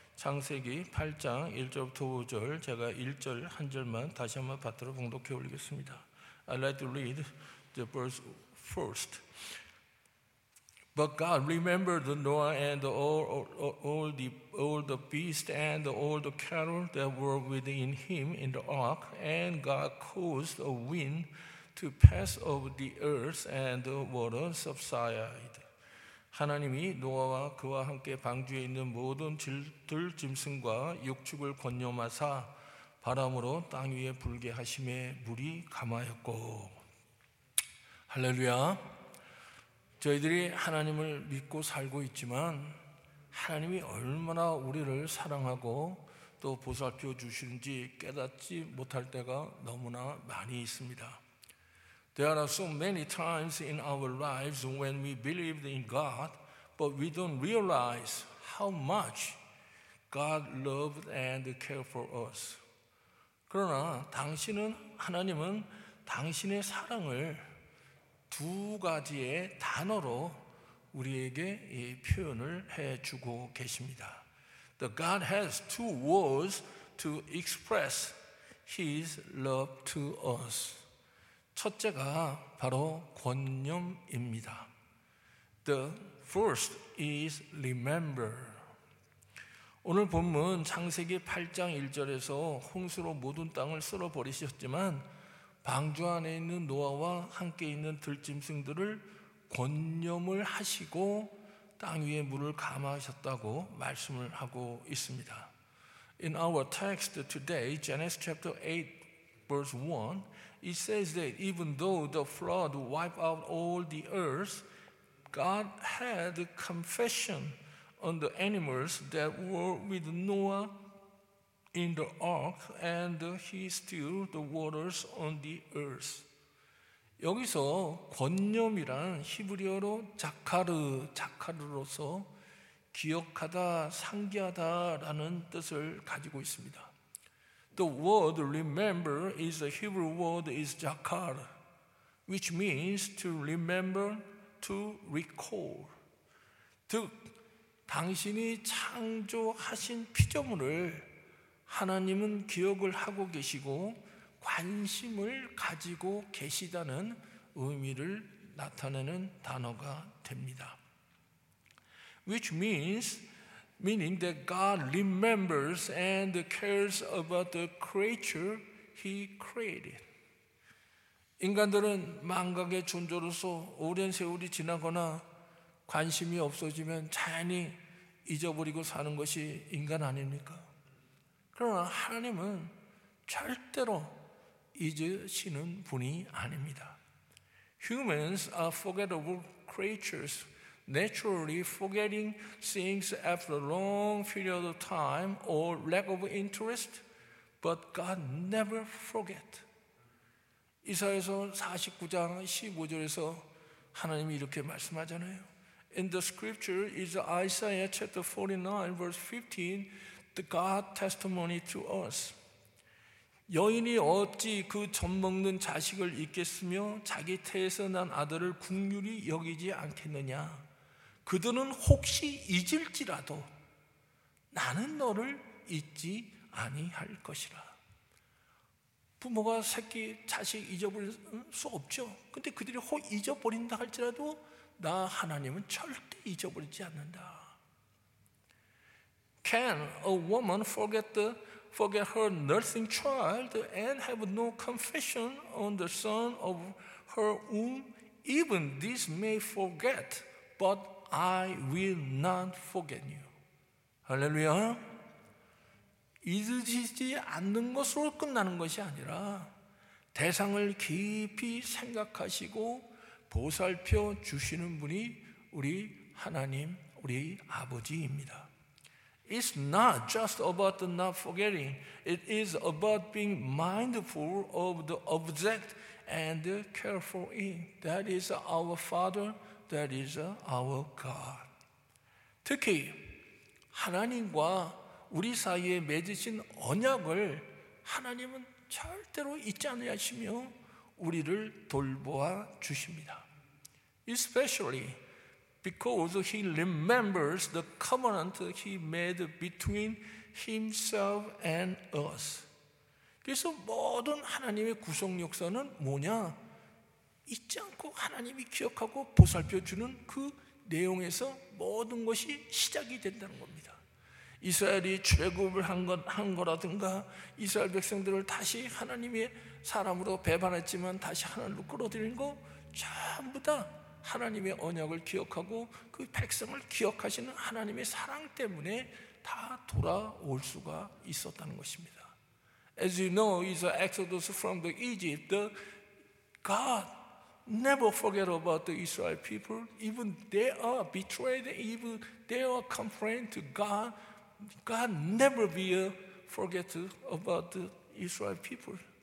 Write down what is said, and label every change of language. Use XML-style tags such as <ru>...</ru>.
<ko>창세기 8장 1절부터 5절 제가 1절 한 절만 다시 한번 받들어 봉독해 올리겠습니다.</ko> <en>I'd like to read the verse first. But God remembered Noah and all the beasts and all the cattle that were within him in the ark, and God caused a wind to pass over the earth and the water subsided.</en> <ko>하나님이 노아와 그와 함께 방주에 있는 모든 들 짐승과 육축을 권념하사 바람으로 땅 위에 불게 하심에 물이 감하였고. 할렐루야. 저희들이 하나님을 믿고 살고 있지만 하나님이 얼마나 우리를 사랑하고 또 보살펴 주시는지 깨닫지 못할 때가 너무나 많이 있습니다.</ko> <en>There are so many times in our lives when we believed in God, but we don't realize how much God loved and cared for us.</en> <ko>그러나 당신은 하나님은 당신의 사랑을 두 가지의 단어로 우리에게 이 표현을 해주고 계십니다.</ko> <en>The God has two words to express His love to us.</en> <ko>첫째가 바로 권념입니다.</ko> <en>The first is remember.</en> <ko>오늘 본문 창세기 8장 1절에서 홍수로 모든 땅을 쓸어버리셨지만 방주 안에 있는 노아와 함께 있는 들짐승들을 권념을 하시고 땅 위에 물을 감하셨다고 말씀을 하고 있습니다.</ko> <en>In our text today, Genesis chapter 8, verse 1, It says that even though the flood wiped out all the earth, God had compassion on the animals that were with Noah in the ark, and he stilled the waters on the earth.</en> <ko>여기서 권념이란 히브리어로 자카르로서 기억하다, 상기하다라는 뜻을 가지고 있습니다.</ko> <en>The word remember is a Hebrew word is zakar, which means to remember, to recall.</en> <ko>즉, 당신이 창조하신 피조물을 하나님은 기억을 하고 계시고 관심을 가지고 계시다는 의미를 나타내는 단어가 됩니다.</ko> <en>Which means Meaning that God remembers and cares about the creature He created.</en> <ko>인간들은 망각의 존재로서 오랜 세월이 지나거나 관심이 없어지면 자연히 잊어버리고 사는 것이 인간 아닙니까? 그러나 하나님은 절대로 잊으시는 분이 아닙니다.</ko> <en>Humans are forgettable creatures. Naturally forgetting things after a long period of time or lack of interest, but God never forgets.</en> <ko>이사야서 49장 15절에서 하나님이 이렇게 말씀하잖아요.</ko> <en>In the scripture is Isaiah chapter 49 verse 15, the God testimony to us.</en> <ko>여인이 어찌 그 젖먹는 자식을 잊겠으며 자기 태에서 난 아들을 긍휼히 여기지 않겠느냐? 그들은 혹시 잊을지라도 나는 너를 잊지 아니할 것이라. 부모가 새끼 자식 잊어버릴 수 없죠. 근데 그들이 혹 잊어버린다 할지라도 나 하나님은 절대 잊어버리지 않는다.</ko> <en>Can a woman forget her nursing child and have no compassion on the son of her womb? Even this may forget, but I will not forget you.</en> <ko>할렐루야. 잊으시지 않는 것으로 끝나는 것이 아니라 대상을 깊이 생각하시고 보살펴 주시는 분이 우리 하나님, 우리 아버지입니다.</ko> <en>It's not just about not forgetting. It is about being mindful of the object and careful in. That is our Father. That is our God.</en> <ko>특히 하나님과 우리 사이에 맺으신 언약을 하나님은 절대로 잊지 않으시며 우리를 돌보아 주십니다.</ko> <en>Especially because he remembers the covenant he made between himself and us.</en> <ko>그래서 모든 하나님의 구속 역사는 뭐냐? 잊지 않고 하나님이 기억하고 보살펴 주는 그 내용에서 모든 것이 시작이 된다는 겁니다. 이스라엘이 출애굽을 한 거라든가 이스라엘 백성들을 다시 하나님의 사람으로 배반했지만 다시 하늘로 끌어들인 거 전부 다 하나님의 언약을 기억하고 그 백성을 기억하시는 하나님의 사랑 때문에 다 돌아올 수가 있었다는 것입니다.</ko> <en>As you know, is the Exodus from the Egypt, the God never forget about the Israel people. Even they are betrayed, even they are complained to God. God never will forget about the Israel people.</en>